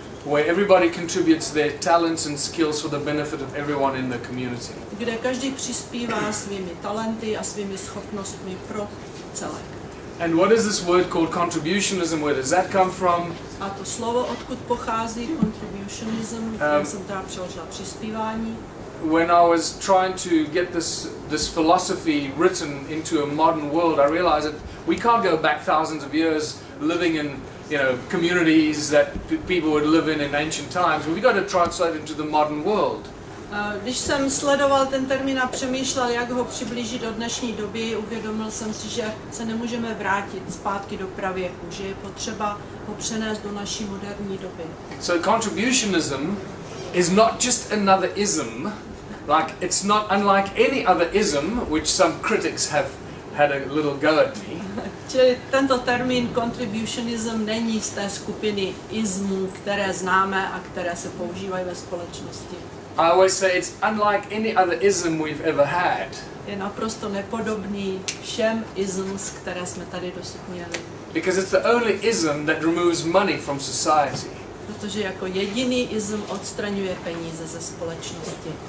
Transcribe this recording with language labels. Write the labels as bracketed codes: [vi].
[en] Where everybody contributes their talents and skills for the benefit of everyone in the community. [cs] Kde každý přispívá svými talenty a svými schopnostmi pro celek. [en] And what is this word called contributionism? Where does that come from? [cs] A to slovo, odkud pochází contributionism, jsem teda přeložila přispívání. [en] When I was trying to get this philosophy written into a modern world, I realized that we can't go back thousands of years living in, you know, communities that people would live in ancient times. We've got to translate into the modern world. [cs] Když jsem sledoval ten termín a přemýšlel, jak ho přiblížit do dnešní doby, uvědomil jsem si, že se nemůžeme vrátit zpátky do pravěku, že je potřeba ho přenést do naší moderní doby. [en] So contributionism is not just another ism, like it's not unlike any other ism, which some critics have had a little go at me. [cs] Čili tento termín contributionism není z té skupiny ismů, které známe a které se používají ve společnosti. [en] I always say it's unlike any other ism we've ever had. [cs] Je naprosto nepodobný všem isms, které jsme tady dosud měli. [en] Because it's the only ism that removes money from society. [cs] Protože jako jediný ism odstraňuje peníze ze společnosti.